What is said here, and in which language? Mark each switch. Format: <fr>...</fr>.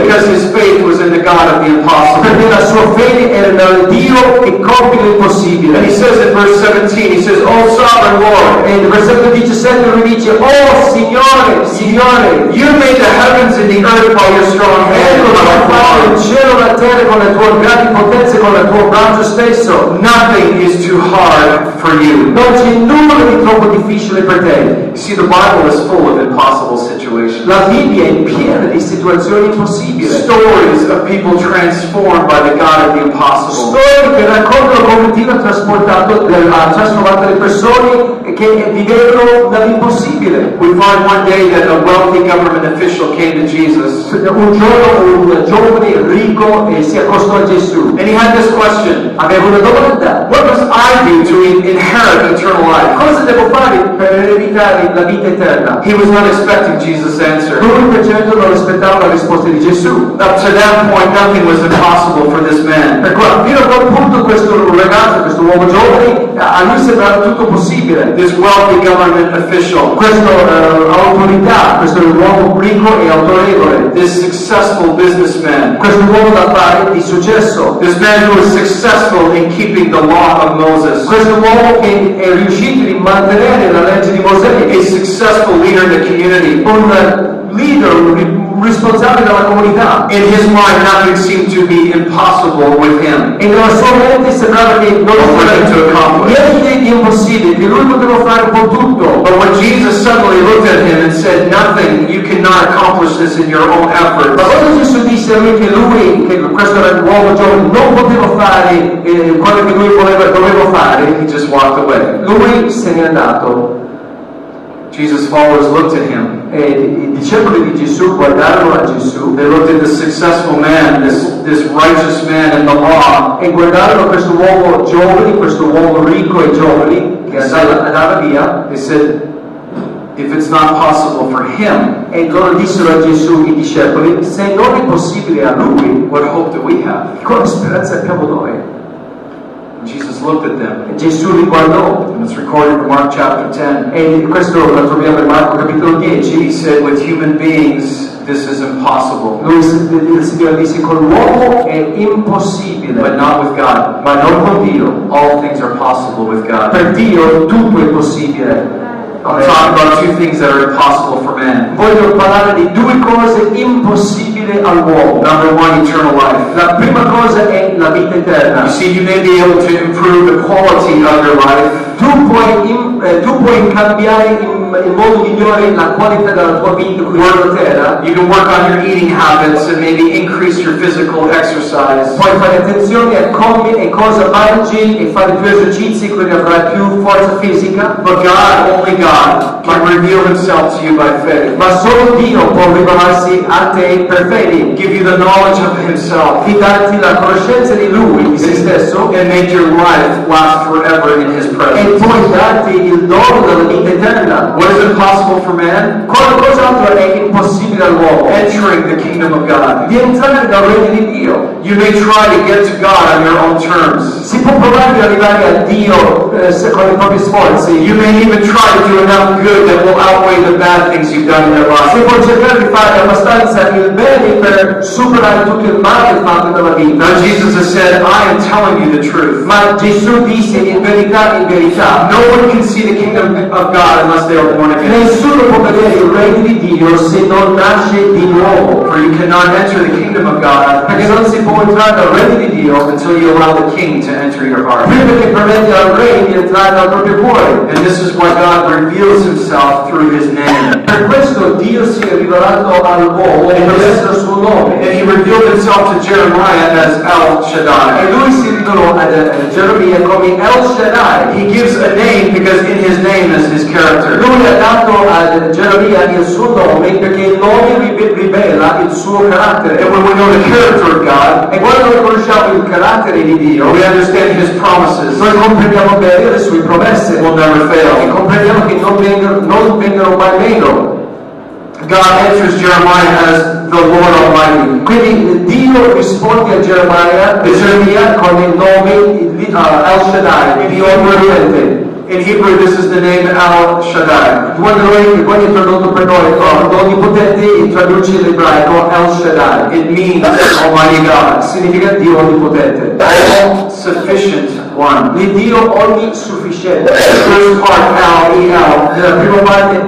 <en>Because his faith was in the God of the impossible.</en> <it>Perché la sua fede era nel Dio che compie l'impossibile.</it> <en>He says in verse 17, he says, O sovereign Lord. And the verse 17</en> <it>dice, Santo mi dice, oh Signore, Signore,</it> <en>you made the heavens and the earth by your strong hand.</en> <it>Ecco, tu hai il cielo e la terra con le tue grandi potenze, con le tue braccia stesso.</it> <en>Nothing is too hard for you.</en> <it>Non c'è nulla di troppo difficile per te.</it> <en>See, the Bible is full of impossible situations.</en> <it>La Bibbia è piena di situazioni impossibili.</it> <en>Stories of people transformed by the God of the impossible.</en> <it>Storie che raccontano come Dio ha trasportato le persone che vivevano dall'impossibile.</it> <en>We find one day that a wealthy government official came to Jesus.</en> <it>Un giorno un giovane ricco si accostò a Gesù.</it> <en>And he had this question.</en> <it>Aveva una domanda.</it> <en>What must I do to inherit eternal life?</en> <it>Cosa devo fare per ereditare la vita eterna?</it> <en>He was not expecting Jesus' answer.</en> <it>Lui per certo non aspettava la risposta di Gesù.</it> <en>Up to that point, nothing was impossible for this man.</en> <it>Fino a quel punto questo ragazzo, questo uomo giovane, a lui sembrava tutto possibile.</it> <en>This wealthy government official,</en> <it>questo autorità, questo uomo ricco e autorevole,</it> <en>this successful businessman,</en> <it>questo uomo d'affari di successo,</it> <en>this man who was successful in keeping the law of Moses,</en> <it>questo uomo che è riuscito di mantenere la legge di Mosè,</it> <en>a successful leader in the community,</en> <it>un leader responsabile della comunità.</it> <en>In his mind, nothing seemed to be impossible with him.</en> <it>E nella sua mente sembrava che non fosse niente impossibile, che lui poteva fare un po' tutto.</it> <en>But when Jesus suddenly looked at him and said, nothing, you cannot accomplish this in your own efforts.</en> <it>Ma quando Gesù disse a lui che lui, che questo era l'uomo giovane, non poteva fare quello che lui voleva, doveva fare,</it> <en>he just walked away.</en> <it>Lui se n'è andato.</it> <en>Jesus' followers looked at him.</en> <it>E i discepoli di Gesù guardarono a Gesù.</it> <en>They looked at the successful man, this righteous man in the law.</en> <it>E guardarono questo uomo giovane, questo uomo ricco e giovane che andava via.</it> <en>They said, if it's not possible for him,</en> <it>e loro dissero a Gesù i discepoli, se non è possibile a lui,</it> <en>what hope do we have?</en> <it>Quale speranza abbiamo noi?</it> <en>Jesus looked at them.</en> <it>E Gesù li guardò.</it> <en>And it's recorded in Mark chapter 10.</en> <it>E questo lo troviamo in Marco capitolo 10.</it> <en>He said, with human beings, this is impossible.</en> <it>Lui, il Signore disse, con l'uomo è impossibile.</it> <en>But not with God.</en> <it>Ma non con Dio.</it> <en>All things are possible with God.</en> <it>Per Dio tutto è possibile.</it> <en>I'll talk about two things that are impossible for man.</en> <it>Voglio parlare di due cose impossibili all'uomo.</it> <en>Number one, eternal life.</en> <it>La prima cosa è la vita eterna.</it> <en>You see, you may be able to improve the quality of your life.</en> <it>Tu puoi cambiare in modo migliore la qualità della tua vita qui sulla terra.</it> <en>You can work on your eating habits and maybe increase your physical exercise.</en> <it>Puoi fare attenzione a come e cosa mangi e fare più esercizi, quindi avrai più forza fisica.</it> <en>But God, only God, can reveal himself to you by faith.</en> <it>Ma solo Dio può rivelarsi a te per fede.</it> <en>Give you the knowledge of himself.</en> <it>Ti darti la conoscenza di lui, di se stesso.</it> <en>And make your life last forever in his presence.</en> <it>E puoi darti il dono della vita eterna.</it> <en>What is impossible for man?</en> <it>Cos'altro è impossibile all'uomo?</it> <en>Entering the kingdom of God.</en> <it>Di entrare nel regno di Dio.</it> <en>You may try to get to God on your own terms.</en> <it>Si può provare di arrivare a Dio secondo i propri sforzi.</it> <en>You may even try to do enough good that will outweigh the bad things you've done in your life.</en> <it>Si può cercare di fare abbastanza il bene per superare tutto il male fatto nella vita.</it> <en>Now Jesus has said, I am telling you the truth.</en> <it>Ma Gesù disse in verità,</it> <en>no one can see the kingdom of God unless they are born again.</en> <it>Nessuno può vedere il regno di Dio se non nasce di nuovo.</it> <en>For you cannot enter the kingdom of God.</en> <it>Perché non si può entrare nel regno di Dio</it> <en>until you allow the king to enter your heart.</en> <it>Prima che permetti al re di entrare nel proprio cuore.</it> <en>And this is why God reveals himself through his name.</en> <it>Per questo Dio si è rivelato al uomo e attraverso il suo nome.</it> <en>And he revealed himself to Jeremiah as El Shaddai.</en> <it>E lui si rivelò ad Geremia come El Shaddai.</it> <en>He gives a name because in his name is his character.</en> <it>Lui ha dato ad Geremia il suo nome perché il nome rivela il suo carattere.</it> <en>And when we know the character of God,</en> <it>e quando noi conosciamo il carattere di Dio,</it> <en>we understand his promises.</en> <it>Noi comprendiamo bene le sue promesse.</it> <en>We'll never fail.</en> <it>E comprendiamo che non vengono mai meno.</it> <en>God answers Jeremiah as the Lord Almighty.</en> <it>Quindi Dio risponde a Geremia con il nome El Shaddai, the Onnipotente.</it> <en>In Hebrew, this is the name El Shaddai.</en> <it>Quando è tradotto per noi, l'Onnipotente traduce in ebraico El Shaddai.</it> <en>It means Almighty God.</en> <it>Significa Dio Onnipotente.</it> <en>All sufficient 1.</en> <it>Di Dio ogni sufficiente.</it> <en>First part, L-E-L.</en> <it>The primo parte,</it>